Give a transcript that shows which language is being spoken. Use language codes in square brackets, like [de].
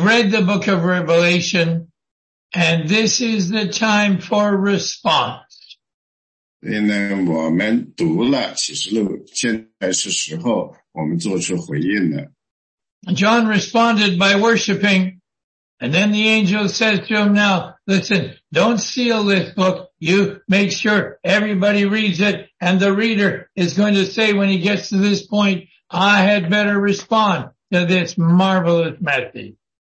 [en] read the book of Revelation, and this is the time for response. [zh] 所以呢，我们读了启示录，现在是时候我们做出回应了。 [en] John responded by worshiping, and then the angel says to him, "Now listen, don't seal this book. You make sure everybody reads it, and the reader is going to say when he gets to this point, I had better respond to this marvelous message."